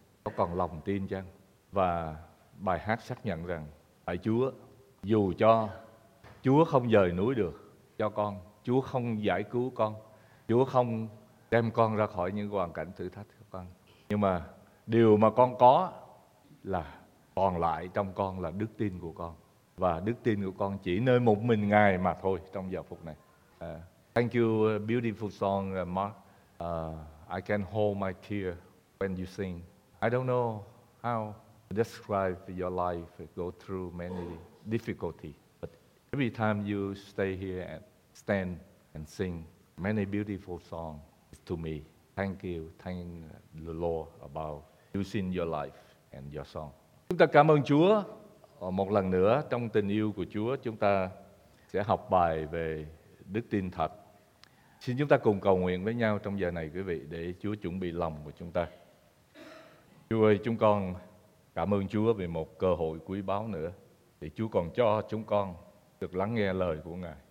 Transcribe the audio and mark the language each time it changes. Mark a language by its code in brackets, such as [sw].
[vi] Có còn lòng tin chăng? Và bài hát xác nhận rằng tại Chúa, dù cho Chúa không dời núi được cho con, Chúa không giải cứu con, Chúa không đem con ra khỏi những hoàn cảnh thử thách của con, nhưng mà điều mà con có là còn lại trong con là đức tin của con. Và đức tin của con chỉ nơi một mình Ngài mà thôi trong giờ phút này. [en] Thank you, beautiful song, Mark. I can hold my tear when you sing. I don't know how to describe your life, go through many difficulty, but every time you stay here and stand and sing many beautiful songs to me, thank you, thank the Lord about using your life and your song. [vi] Chúng ta cảm ơn Chúa. Một lần nữa, trong tình yêu của Chúa, chúng ta sẽ học bài về đức tin thật. Xin chúng ta cùng cầu nguyện với nhau trong giờ này, quý vị, để Chúa chuẩn bị lòng của chúng ta. Chúa ơi, chúng con cảm ơn Chúa vì một cơ hội quý báu nữa để Chúa còn cho chúng con được lắng nghe lời của Ngài.